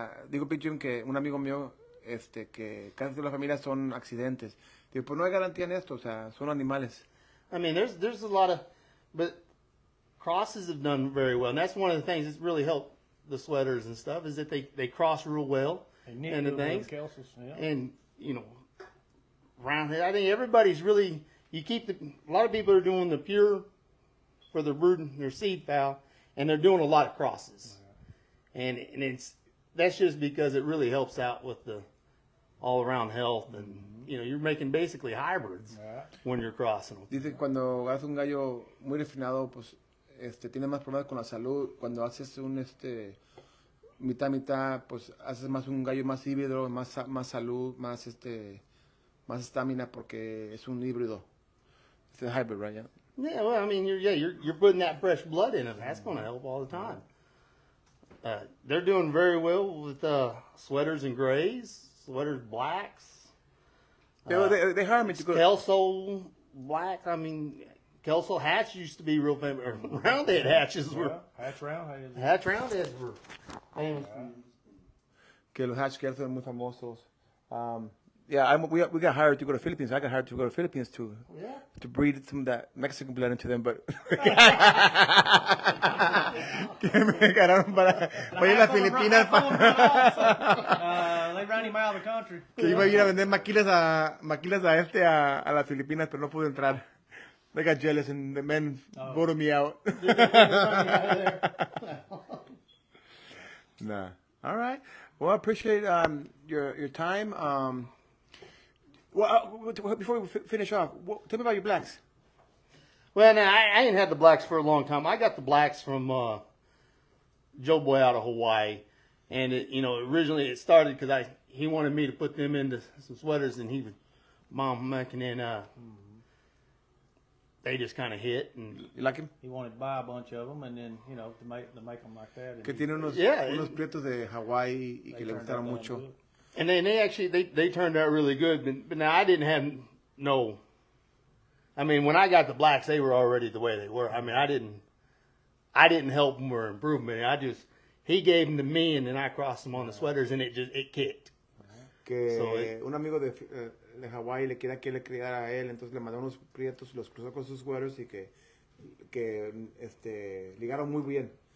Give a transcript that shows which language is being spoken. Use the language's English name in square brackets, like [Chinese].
[Spanish] Digo Big Jim que un amigo mío, que casi todas las familias son accidentes. Digo, pues no hay garantía en esto. O sea, son animales. [English] I mean, there's a lot of, but crosses have done very well, and that's one of the things that's really helped the sweaters and stuff is that they cross real well and the things. And you know, roundhead. I think everybody's really. You keep the, a lot of people are doing the pure for their brood, their seed fowl, and they're doing a lot of crosses. Yeah. And it's, that's just because it really helps out with the all around health. And, mm-hmm. you know, you're making basically hybrids yeah. when you're crossing them. [Spanish] Dice cuando haces un gallo muy refinado, pues tiene más problemas con la salud. Cuando haces un mitad mitad, pues haces más un gallo más híbrido, más salud, más más estamina porque es un híbrido. [English] It's a hybrid, right? Yeah. Well, I mean, you're putting that fresh blood in them. That's going to help all the time. They're doing very well with sweaters and grays, sweaters blacks. Yeah, well, they hire me to go. Kelso black. I mean, Kelso hatch used to be real famous. Roundhead hatches were. Yeah, hatch roundheads were. [Spanish] Que los hatch Kelso muy famosos. [English] Yeah, we got hired to go to Philippines. I got hired to go to Philippines too. Yeah. To breed some of that Mexican blood into them, but. [Spanish] Que me ganaron para. Voy a ir a Filipinas. [English] They ran him out of the country. [Spanish] Que iba a ir a vender maquilas a a las Filipinas, pero no pude entrar. [English] They got jealous and the men voted me out. Nah. All right. Well, I appreciate your time. Well, before we finish off, tell me about your blacks. Well, now, I ain't had the blacks for a long time. I got the blacks from Joe Boy out of Hawaii. And, originally it started because he wanted me to put them into some sweaters, and he was mom-making, and they just kind of hit. And you like him? He wanted to buy a bunch of them, and then, you know, to make them like that. [Spanish] Que tiene unos prietos de Hawaii y que le gustaron mucho. [English] And then they turned out really good. But now I didn't have no. I mean, when I got the blacks, they were already the way they were. I mean, I didn't help them or improve them. I just he gave them to me, and then I crossed them on the sweaters, and it kicked. [Spanish] Que so un amigo de Hawaii le quería que le criara a él, entonces le mandó unos prietos y los cruzó con sus sweaters y que ligaron muy bien.